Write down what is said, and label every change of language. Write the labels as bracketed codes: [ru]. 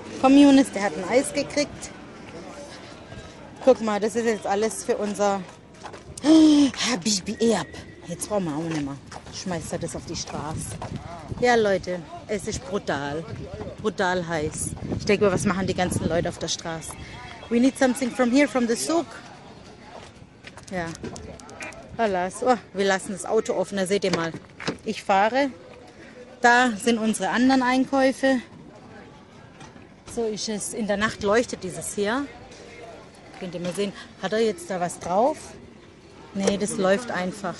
[de] Komm, Younes, der hat ein Eis gekriegt. Guck mal, das ist jetzt alles für unser Habibi Erb. Jetzt brauchen wir auch nicht mehr. Schmeißt er das auf die Straße. Ja, Leute, es ist brutal. Brutal heiß. Ich denke mal, was machen die ganzen Leute auf der Straße? [en] We need something from here, from the souk. [de] Ja, alas. Oh, wir lassen das Auto offen, da seht ihr mal. Ich fahre. Da sind unsere anderen Einkäufe. So ist es. In der Nacht leuchtet dieses hier. Könnt ihr mal sehen. Hat er jetzt da was drauf? Nee, das läuft einfach.